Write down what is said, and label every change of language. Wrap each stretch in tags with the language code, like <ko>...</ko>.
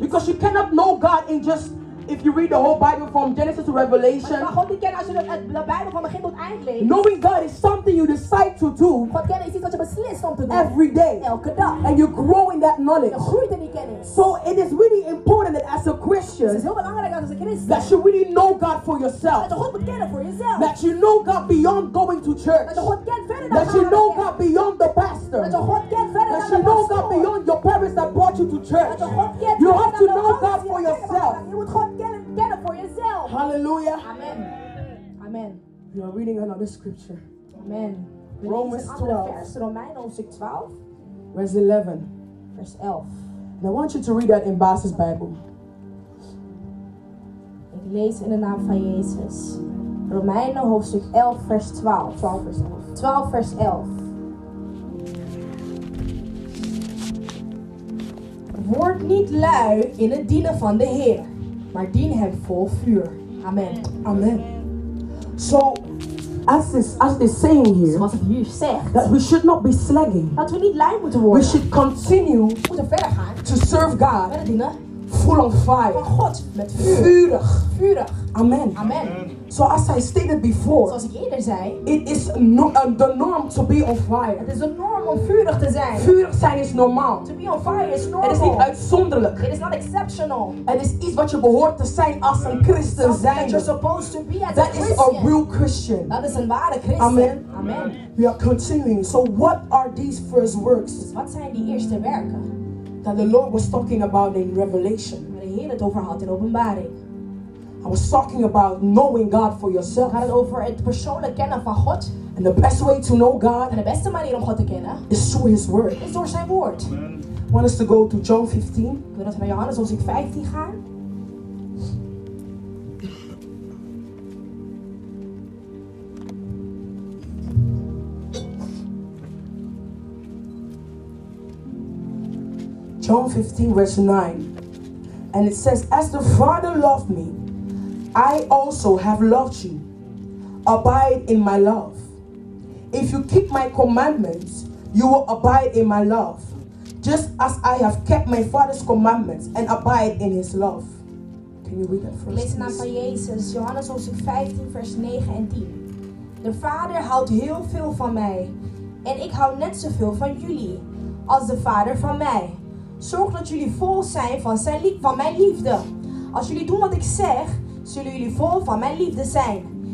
<en>Because you cannot know God in just, if you read the whole Bible from Genesis to Revelation.</en> <nl>Maar God niet kennen als je de Bijbel van begin tot eind leest.</nl> <en>Knowing God is something you decide to do.</en> <nl>God kennen is iets wat je beslist om te doen.</nl> <en>Every day.</en> <nl>Elke dag.</nl> <en>And you grow in that knowledge.</en> <nl>Je groeit in die kennis.</nl> <en>So it is really important that as a Christian,</en> <nl>het is heel belangrijk als een Christen,</nl> <en>that you really know God for yourself.</en> <nl>Dat je God moet kennen voor jezelf.</nl> <en>That you know God beyond going to church.</en> <nl>Dat je God kent verder dan</nl> <en>that you know God beyond the pastor.</en> <nl>Dat je God kent verder</nl> <en>dan you know God beyond your parents that brought you to church.</en> <nl>Dat je God kent</nl> <en>you have to know God for yourself.</en> <nl>Je moet God kennen voor jezelf. Hallelujah. Amen. Amen.</nl> <en>You are reading another scripture. Amen. Romans</en> <nl>12. Romeinen hoofdstuk 12.</nl> <en>Verse 11.</en> <nl>Vers 11.</nl> <en>And I want you to read that in Bas's Bible.</en> <nl>Ik lees in de naam van Jezus. Romeinen hoofdstuk 11 vers 12. 12 vers 11. 12 vers 11. Word niet lui in het dienen van de Heer, maar dien hem vol vuur. Amen.</nl> <en>Amen. So, as they saying here,</en> <nl>zoals het hier zegt,</nl> <en>that we should not be slagging.</en> <nl>Dat we niet lui moeten worden.</nl> <en>We should continue.</en> <nl>We moeten verder gaan.</nl> <en>To serve God.</en> <nl>Verder dienen.</nl> <en>Full on fire.</en> <nl>Van God met vuur. Vurig. Vurig. Amen. Amen.</nl> <en>So as I stated before,</en> <nl>zoals ik eerder zei,</nl> <en>it is no, the norm to be on fire.</en> <nl>Het is een norm om vurig te zijn. Vurig zijn is normaal.</nl> <en>To be on fire is normal.</en> <nl>Het is niet uitzonderlijk.</nl> <en>It is not exceptional.</en> <nl>Het is iets wat je behoort te zijn als een Christen zijn.</nl> <en>That you're supposed to be as that a Christian. That is a real Christian.</en> <nl>Dat is een ware Christen. Amen. Amen.</nl> <en>We are continuing. So what are these first works?</en> <nl>Dus wat zijn die eerste werken?</nl> <en>That the Lord was talking about in Revelation.</en> <nl>Waar de Heer het over had in Openbaring.</nl> <en>I was talking about knowing God for yourself.</en> <nl>Gaat het over het persoonlijk kennen van God.</nl> <en>And the best way to know God.</en> <nl>En de beste manier om God te kennen.</nl> <en>Is through His Word.</en> <nl>Is door zijn woord.</nl> <en>I want us to go to John 15.</en> <nl>Ik wil dat we naar Johannes hoofdstuk 15 gaan.</nl> <en>John 15 verse 9. And it says, as the Father loved me, I also have loved you. Abide in my love. If you keep my commandments, you will abide in my love. Just as I have kept my Father's commandments and abide in his love. Can you read that first?</en> <nl>Lees de naam van Jezus, Johannes hoofdstuk 15 vers 9 en 10. De Vader houdt heel veel van mij. En ik hou net zoveel van jullie als de Vader van mij. Zorg dat jullie vol zijn van, van mijn liefde. Als jullie doen wat ik zeg, zullen jullie vol van mijn liefde zijn.</nl>